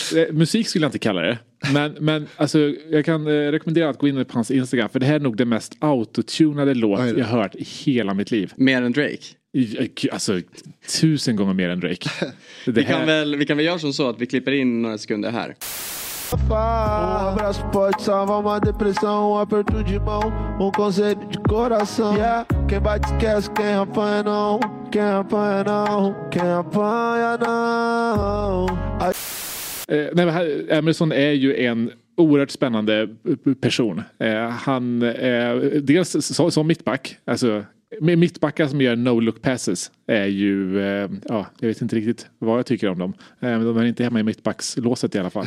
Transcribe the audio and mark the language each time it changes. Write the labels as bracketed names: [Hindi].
[Swedish] Musik skulle jag inte kalla det. Men alltså, jag kan rekommendera att gå in på hans Instagram, för det här är nog det mest autotunade låt jag hört i hela mitt liv. Mer än Drake? Alltså, 1000 gånger mer än Drake. Vi kan väl göra som så att vi klipper in några sekunder här. [Portuguese] Um abraço pode salvar uma depressão, um aperto de mão, um conselho de coração. Yeah, quem bate esquece, quem apanha não, quem apanha não, quem apanha não. [Swedish] Emerson är ju en oerhört spännande person. Han är dels som mittback, alltså mittbackar som gör no-look passes är ju, ja, jag vet inte riktigt vad jag tycker om dem. De är inte hemma i mittbackslåset i alla fall.